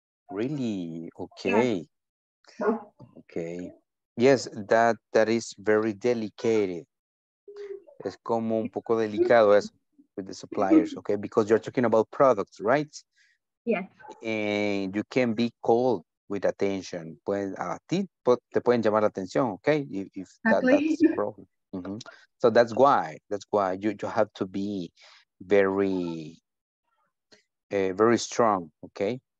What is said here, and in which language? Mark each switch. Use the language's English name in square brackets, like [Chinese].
[English] Really? Okay. Yeah. Okay. Yes, that is very delicate. [Spanish] Es como un poco delicado eso. [English] With the suppliers, okay, because you're talking about products, right? Yes. And you can be called with attention. [Spanish] Pues a ti te pueden llamar la atención, okay? [English] If that's the problem. Mm-hmm. So that's why you have to be very strong, okay?